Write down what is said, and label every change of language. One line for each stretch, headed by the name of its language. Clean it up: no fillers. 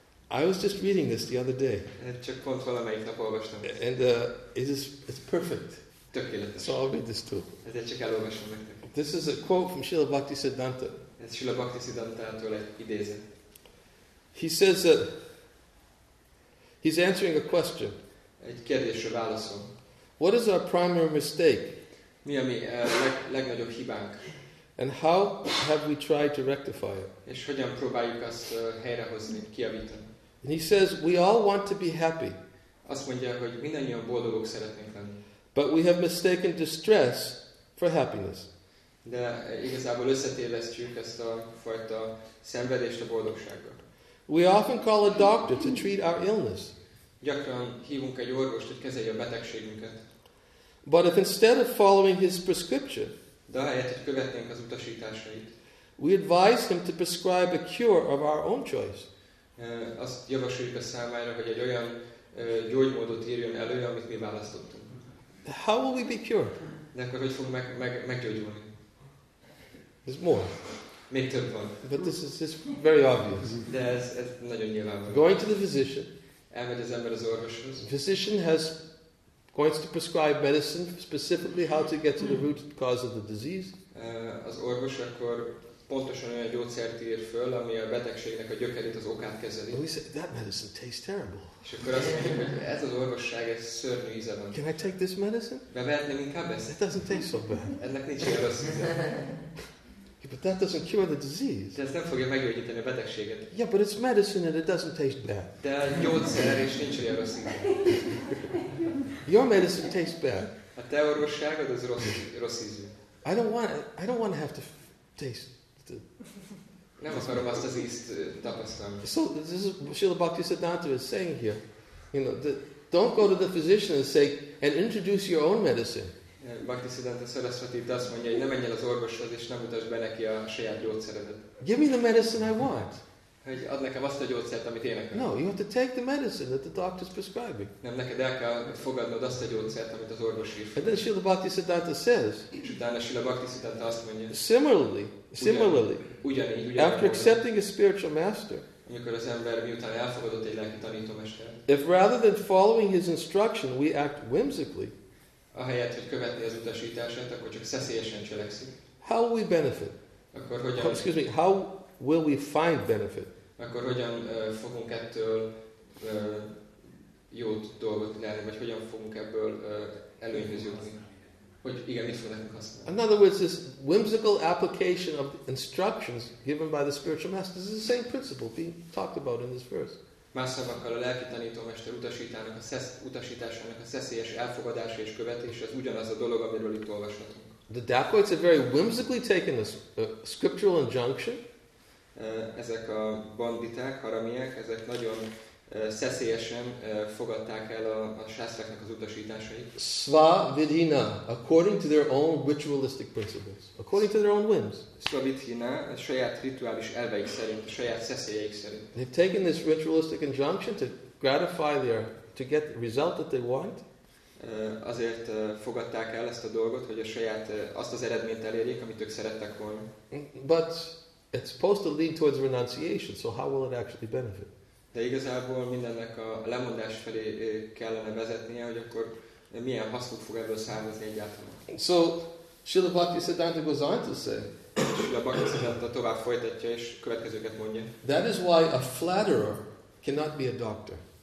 English: I was just reading this the other day.
Hungarian: Csak pont valamelyik nap olvastam.
English: And it's perfect.
Hungarian: Tökéletes.
English: So I'll read this too.
Hungarian: Ezért csak elolvasom nektek.
English: This is a quote from Srila Bhaktisiddhanta.
Hungarian: Ez Srila Bhaktisiddhantától egy idézet.
English: He says that he's answering a question.
Hungarian: Egy kérdésre válaszol.
English: What is our primary mistake?
Hungarian: Mi a mi legnagyobb hibánk?
English: And how have we tried to rectify it?
Hungarian: És hogyan próbáljuk azt helyrehozni, kiavítani?
English: And he says, we all want to be happy.
Hungarian: Azt mondja, hogy mindannyian boldogok szeretnénk lenni.
English: But we have mistaken distress for happiness.
Hungarian: De igazából összetévesztjük ezt a fajta szenvedést a boldogsággal.
English: We often call a doctor to treat our illness.
Hungarian: Gyakran hívunk egy orvost, hogy kezelje a betegségünket.
English: But if instead of following his prescription,
Hungarian: de ahelyett, hogy követnénk az utasításait,
English: we advise him to prescribe a cure of our own choice.
Hungarian: Azt javasoljuk a számára, hogy egy olyan gyógymódot írjon elő, amit mi választottunk.
English: How will we be cured?
Hungarian: De akkor hogy fogunk meggyógyulni?
English: There's more.
Hungarian: Még több van.
English: But this is just very obvious.
Hungarian: De ez nagyon nyilvánvaló.
English: Going to the physician.
Hungarian: Elmegy az ember az orvoshoz.
English: Physician has going to prescribe medicine specifically how to get to the root cause of the disease.
Hungarian: Az orvos akkor pontosan olyan gyógyszert ír föl, ami a betegségnek a gyökerét, az okát kezeli.
English: Well, he said, that medicine tastes terrible.
Hungarian: És akkor azt mondja, hogy ez az orvosság, ez szörnyű íze van.
English: Can I take this medicine?
Hungarian: Bevehetném inkább ezt?
English: It doesn't taste so bad.
Hungarian: Ennek nincs ilyen rossz íze.
English: Yeah, but that doesn't cure the disease.
Hungarian: De ez nem fogja meggyógyítani a betegséget.
English: Yeah, but it's medicine and it doesn't taste bad.
Hungarian: De gyógyszer, és nincs ilyen rossz íze.
English: Your medicine tastes bad.
Hungarian: A te orvosságod az rossz ízű.
English: I don't want to have to taste.
Hungarian: Nem akarom azt az ízt tapasztalni.
English: So this is Srila Bhaktisiddhanta is saying here, you know, don't go to the physician and say and introduce your own medicine.
Hungarian: Bhaktisiddhanta Saraswati azt mondja, hogy ne menj el az orvoshoz és nem utasd be neki a saját gyógyszeredet.
English: Give me the medicine I want.
Hungarian: Hogy add nekem azt a gyógyszert, amit én akarok.
English: No, you have to take the medicine that the doctor is prescribing.
Hungarian: Nem, neked el kell fogadnod azt a gyógyszert, amit az orvos ír.
English: And then Srila Bhaktisiddhanta says,
Hungarian: és utána Srila Bhaktisiddhanta azt mondja,
English: similarly,
Hungarian: ugyanígy,
English: after accepting a spiritual master,
Hungarian: amikor az ember miután elfogadott egy lelki tanítómester,
English: if rather than following his instruction, we act whimsically,
Hungarian: ahelyett, hogy követni az utasítását, akkor csak szeszélyesen cselekszünk.
English: How will we benefit?
Hungarian: Akkor hogyan?
English: Excuse me, how will we find benefit?
Hungarian: Akkor hogyan fogunk ettől jót dolgot nyerni, vagy hogyan fogunk ebből előnyhöz jutni? Hogy igen, mit fog nekünk használni?
English: In other words, this whimsical application of instructions given by the spiritual master is the same principle being talked about in this verse.
Hungarian: Más szavakkal, a lelki tanítómester utasításának a szeszélyes elfogadása és követése az ugyanaz a dolog, amiről itt olvashatunk.
English: The dacoits have very whimsically taken this scriptural injunction.
Hungarian: Ezek a banditák, haramiek, ezek nagyon szeszélyesen fogadták el a sásztráknak az utasításait.
English: Sva vidhina, according to their own ritualistic principles, according to their own whims.
Hungarian: Sva vidhina, a saját rituális elveik szerint, a saját szeszélyeik szerint.
English: They've taken this ritualistic injunction to gratify their, to get the result that they want.
Hungarian: Azért fogadták el ezt a dolgot, hogy a saját, azt az eredményt elérjék, amit ők szerettek volna.
English: But it's supposed to lead towards renunciation, so how will it actually benefit?
Hungarian: De igazából mindennek a lemondás felé kellene vezetnie, hogy akkor milyen hasznuk fog ebből származni egyáltalán.
English: So, Srila Bhaktisiddhanta goes on to say,
Hungarian: Srila Bhaktisiddhanta tovább folytatja és következőket mondja.
English: That is why a flatterer cannot be a doctor.